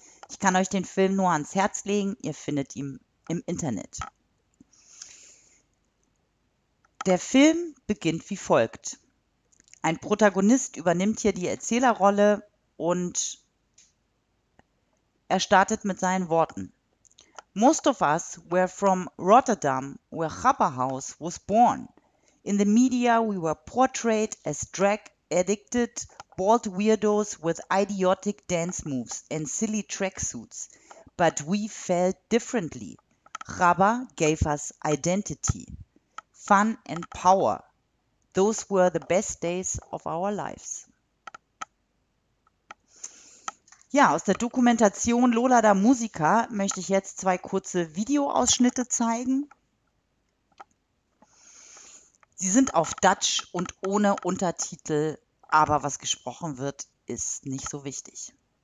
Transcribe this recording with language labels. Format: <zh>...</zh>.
<de>Ich kann euch den Film nur ans Herz legen, ihr findet ihn im Internet. Der Film beginnt wie folgt. Ein Protagonist übernimmt hier die Erzählerrolle und er startet mit seinen Worten.</de> <en>Most of us were from Rotterdam, where Chabberhaus was born. In the media we were portrayed as drug-addicted, bald weirdos with idiotic dance moves and silly tracksuits. But we felt differently. Chabber gave us identity, fun and power. Those were the best days of our lives.</en> <de>Ja, aus der Dokumentation Lola da Musica möchte ich jetzt zwei kurze Videoausschnitte zeigen. Sie sind auf Dutch und ohne Untertitel, aber was gesprochen wird, ist nicht so wichtig.</de>